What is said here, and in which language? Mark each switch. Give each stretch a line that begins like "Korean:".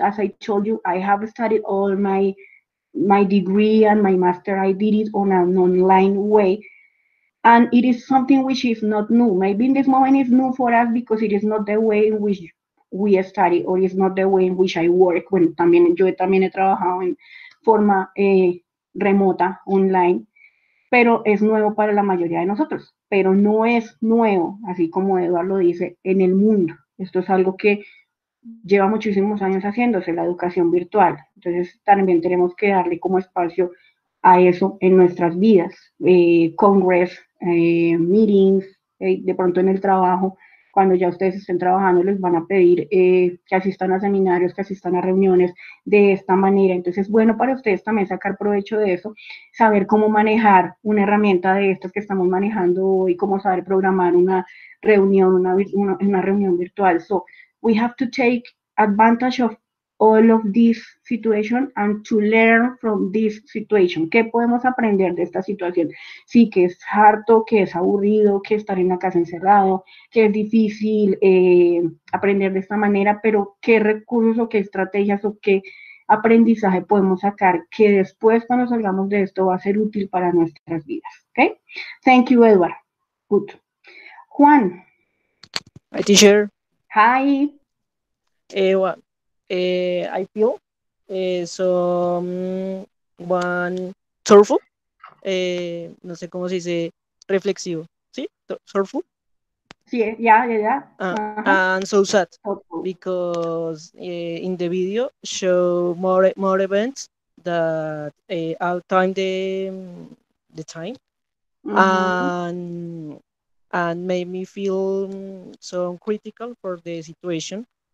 English: As I told you, I have studied all my degree and my master. I did it on an online way. And it is something which is not new. Maybe in this moment it's new for us because it is not the way in which we study, or it's not the way in which I work.
Spanish: Bueno, también yo también he trabajado en forma remota, online, pero es nuevo para la mayoría de nosotros. Pero no es nuevo, así como Eduardo lo dice, en el mundo. Esto es algo que lleva muchísimos años haciéndose, la educación virtual. Entonces, también tenemos que darle como espacio a eso en nuestras vidas. Congress, meetings, de pronto en el trabajo, cuando ya ustedes estén trabajando, les van a pedir que asistan a seminarios, que asistan a reuniones de esta manera. Entonces, es bueno para ustedes también sacar provecho de eso, saber cómo manejar una herramienta de estas que estamos manejando hoy, cómo saber programar una reunión, una reunión virtual.
English: So, we have to take advantage of all of this situation and to learn from this situation.
Spanish: ¿Qué podemos aprender de esta situación? Sí, que es harto, que es aburrido, que estar en la casa encerrado, que es difícil aprender de esta manera, pero ¿qué recursos o qué estrategias o qué aprendizaje podemos sacar que después cuando salgamos de esto va a ser útil para nuestras vidas?
English: ¿Okay? Thank you, Edward. Good. Juan. Hi, teacher. Hi. Ewa. I feel one sorrowful,
Spanish: no sé cómo se dice, reflexivo, ¿sí?
English: Sorrowful.
Spanish: Sí, ya.
English: And so sad, because in the video show more events that out time the time, and made me feel so critical for the situation.